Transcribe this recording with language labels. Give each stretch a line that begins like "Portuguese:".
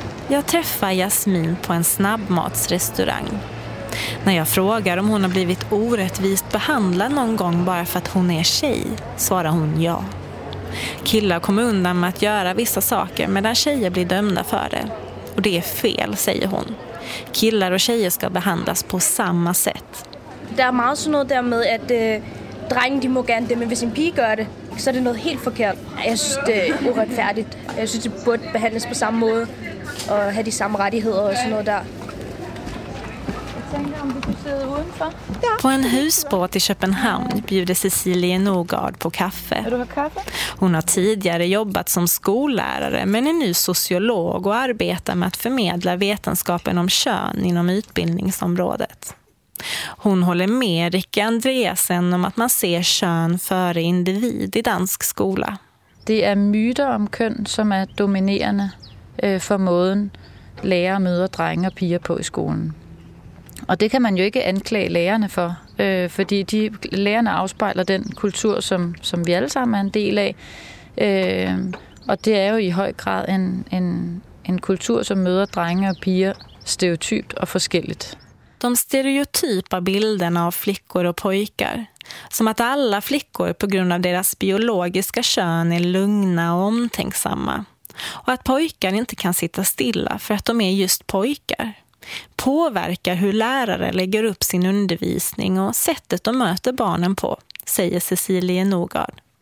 Swedish: Jag träffar Jasmin på en snabbmatsrestaurang. När jag frågar om hon har blivit orättvist behandlad någon gång bara för att hon är tjej, svarar hon ja. Killar kommer undan med att göra vissa saker medan tjejer blir dömda för det. Och det är fel, säger hon. Killar och tjejer ska behandlas på samma sätt.
Danish: Der er meget sådan noget der med, at drengen de må gerne det, men hvis en pige gør det, så er det noget helt forkert. Jeg synes, det er uretfærdigt. Jeg synes, det burde behandles på samme måde og have de samme rettigheder og sådan noget der.
Swedish: På en husbåt i Köpenhamn bjuder Cecilie Nogard på kaffe. Hon har tidigare jobbat som skollärare men är nu sociolog och arbetar med att förmedla vetenskapen om kön inom utbildningsområdet. Hon håller med Rikke Andreasen om att man ser kön före individ i dansk skola. Det är myter om kön som är dominerande för
Danish: måden
Swedish: lärare möter drängar och
Danish: piger
Swedish: på i skolan.
Danish: Og det kan man jo ikke anklage lærerne for, fordi de lærerne afspejler den kultur, som vi alle sammen er en del af. Og det er jo i høj grad en kultur, som møder drenge og piger stereotypt og forskelligt.
Swedish: De stereotypa bilderna av flickor och pojkar, som att alla flickor på grund av deras biologiska kön är lugna och omtänksamma. Och att pojkar inte kan sitta stilla för att de är just pojkar. Påverkar hur lärare lägger upp sin undervisning och sättet de möter barnen på, säger Cecilie Nogard.